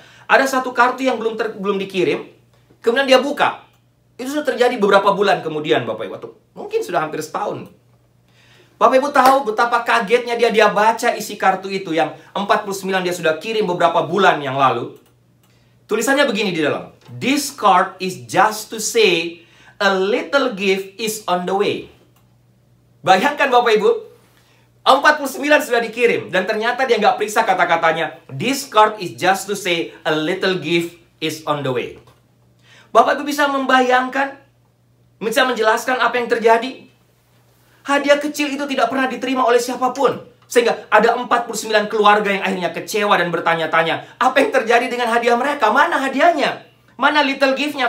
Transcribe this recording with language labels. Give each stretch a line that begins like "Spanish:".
Indonesian: Ada satu kartu yang belum dikirim. Kemudian dia buka. Itu sudah terjadi beberapa bulan kemudian, Bapak Ibu. Mungkin sudah hampir setahun. Bapak Ibu tahu betapa kagetnya dia baca isi kartu itu yang 49 dia sudah kirim beberapa bulan yang lalu. Tulisannya begini di dalam.
English: This card is just to say a little gift is on the way.
Indonesian: Bayangkan Bapak Ibu, 49 sudah dikirim dan ternyata dia nggak periksa kata-katanya.
English: This card is just to say a little gift is on the way.
Indonesian: Bapak Ibu bisa membayangkan, bisa menjelaskan apa yang terjadi? Hadiah kecil itu tidak pernah diterima oleh siapapun. Sehingga ada 49 keluarga yang akhirnya kecewa dan bertanya-tanya, apa yang terjadi dengan hadiah mereka? Mana hadiahnya? Mana little gift-nya?